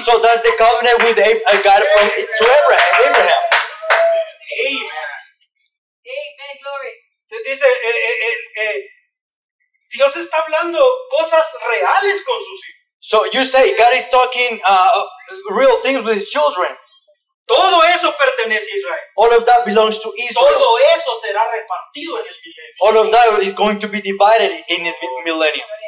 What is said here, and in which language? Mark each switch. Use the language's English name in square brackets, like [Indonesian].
[English] So that's the covenant with God from to Abraham. Abraham. Amen. Amen. Glory. [Spanish] Dice Dios está hablando cosas reales con sus hijos. [English] So you say God is talking real things with his children. [Spanish] Todo eso pertenece a Israel. [English] All of that belongs to Israel. [Spanish] Todo eso será repartido en el milenio. [English] All of that is going to be divided in the millennium.